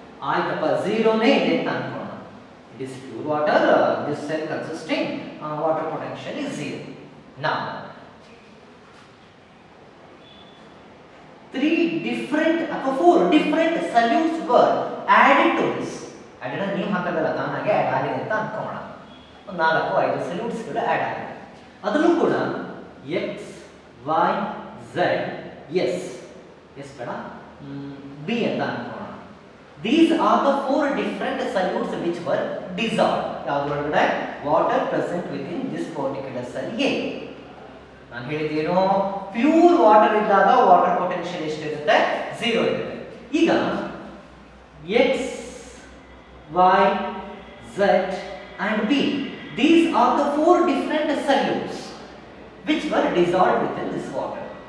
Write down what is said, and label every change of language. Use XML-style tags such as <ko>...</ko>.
<kn>ಆಯ್ತಪ್ಪ, ಝೀರೋನೇ ಇದೆ ಅಂತ ಅನ್ಕೋಣ,</kn> <en>It is pure water, this cell consisting water potential is zero.</en> <kn>ನಾವು ತ್ರೀ ಡಿಫ್ರೆಂಟ್ ಅಥವಾ four different ಸಲ್ಯೂಟ್ಸ್ var added to this, added ನೀವು ಹಾಕೋದಲ್ಲ ತಾನಾಗೆ ಆಡ್ ಆಗಿದೆ ಅಂತ ಅನ್ಕೋಣ, ನಾಲ್ಕು ಐದು ಸಲ್ಯೂಟ್ಸ್ ಗಳು ಆಡ್ ಆಗಿದೆ. ಅದನ್ನು ಕೂಡ X, Y, Z, S, S ಬೇಡ, B ಅಂತ ಅನ್ಕೋಣ.</kn> <en>these are the four different solutes which were dissolve</en> <kn>ಯಾವ್ದೊಳಗಡೆ,</kn> <en>Water present with in this particular cell A.</en> <kn>ನಾನು ಹೇಳಿದ್ದೇನು, ಪ್ಯೂರ್ ವಾಟರ್ ಇದ್ದಾಗ ವಾಟರ್ ಪೊಟೆನ್ಷಿಯಲ್ ಎಷ್ಟಿರುತ್ತೆ, ಝೀರೋ ಇರುತ್ತೆ.</kn> <en>ಈಗ X, Y, Z and B, these are the four different solutes which were dissolve with in this water.</en>